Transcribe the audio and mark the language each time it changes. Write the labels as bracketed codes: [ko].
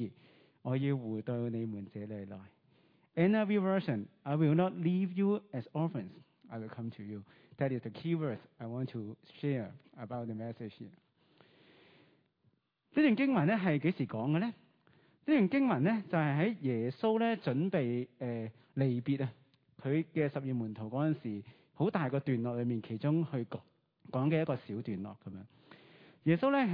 [yue] 第18節咁樣講，耶穌講嘅，佢話：我不會撇下你們為孤兒，我要回到你們這裏來。 [en] NIV version, I will not leave you as orphans, I will come to you. That is the key word I want to share about the message here. [yue] 呢段經文咧係幾時講嘅咧？呢段經文咧就係喺耶穌咧準備離別啊，佢嘅十二門徒嗰陣時，好大個段落裏面，其中去講嘅一個小段落咁樣。